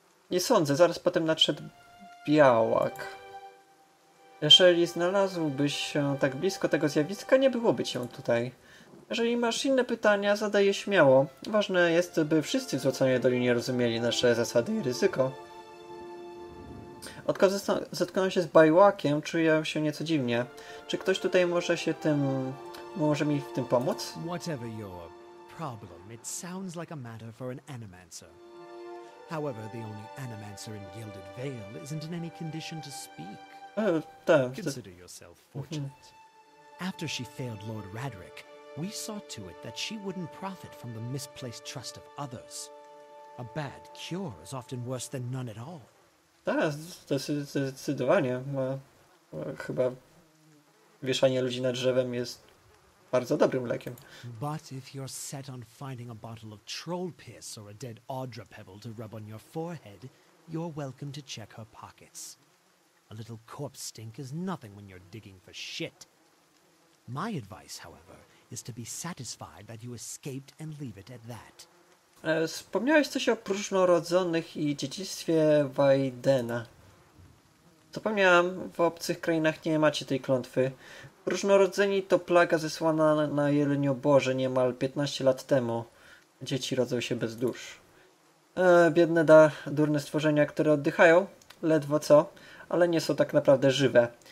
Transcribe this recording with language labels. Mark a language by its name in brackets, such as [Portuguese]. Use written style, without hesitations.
[Polish] Nie sądzę, zaraz potem nadszedł Białak. Jeżeli znalazłbyś się tak blisko tego zjawiska, nie byłoby cię tutaj. Jeżeli masz inne pytania, zadaj je śmiało. Ważne jest, by wszyscy w Złoconej Dolinie rozumieli nasze zasady i ryzyko. Odkąd zetknąłem się z Bajłakiem, czuję się nieco dziwnie. Czy ktoś tutaj może się tym... może mi w tym pomóc? [English] Whatever your problem, it sounds like a matter for an animancer. However, the only animancer in Gilded Vale isn't in any condition to speak. Consider yourself fortunate. After she failed Lord Radric, we saw to it that she wouldn't profit from the misplaced trust of others. A bad cure is often worse than none at all. [Polish] Tak, zdecydowanie. Chyba wieszanie ludzi na drzewem jest bardzo dobrym lekiem. [English] But if you're set on finding a bottle of troll piss or a dead Audra pebble to rub on your forehead, you're welcome to check her pockets. A little corpse stink is nothing when you're digging for shit. My advice, however, is to be satisfied that you escaped and leave it at that. [Polish] Wspomniałeś coś o próżnorodzonych i dziedzictwie Wajdena. Zapomniałam, w obcych krainach nie macie tej klątwy. Próżnorodzeni to plaga zesłana na Jelenio Boże niemal 15 lat temu. Dzieci rodzą się bez dusz. Biedne durne stworzenia, które oddychają, ledwo co, ale nie są tak naprawdę żywe.